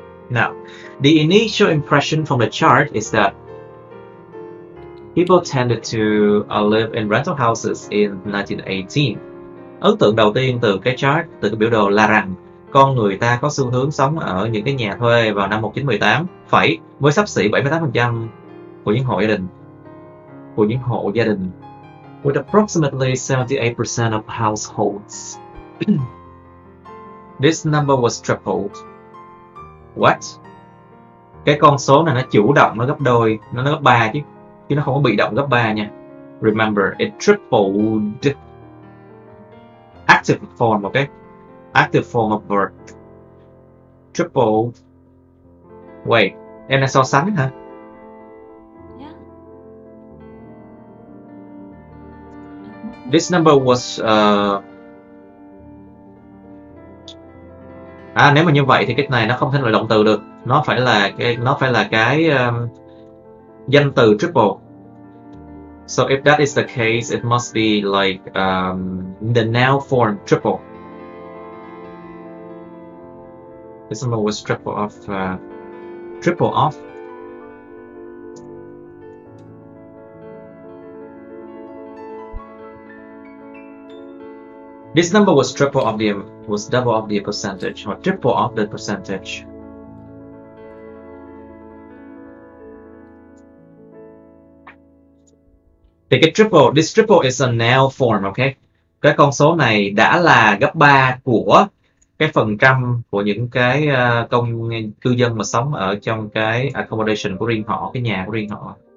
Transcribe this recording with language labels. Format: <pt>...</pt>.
<en>Now, the initial impression from the chart is that people tended to live in rental houses in 1918.</en> <vi>Ấn tượng đầu tiên từ cái chart, từ cái biểu đồ là rằng con người ta có xu hướng sống ở những cái nhà thuê vào năm 1918 phẩy với xấp xỉ 78% của những hộ gia đình</vi> <en>with approximately 78% of households. This number was tripled. What?</en> <vi>Cái con số này nó chủ động nó gấp đôi, nó gấp ba chứ. Chứ nó không có bị động gấp 3 nha.</vi> <en>Remember, it tripled. Active form, ok? Active form of verb. Tripled.</en> <vi>Wait, em đang so sánh hả?</vi> <en>This number was...</en> <vi>À, nếu mà như vậy thì cái này nó không thể là động từ được. Nó phải là cái danh từ triple.</vi> <en>So if that is the case, it must be like the noun form triple. This number was triple of. This number was triple of the was double of the percentage or triple of the percentage. Thì cái triple, this triple is a noun form, okay?</en> <vi>Cái con số này đã là gấp 3 của cái phần trăm của những cái công cư dân mà sống ở trong cái accommodation của riêng họ, cái nhà của riêng họ.</vi>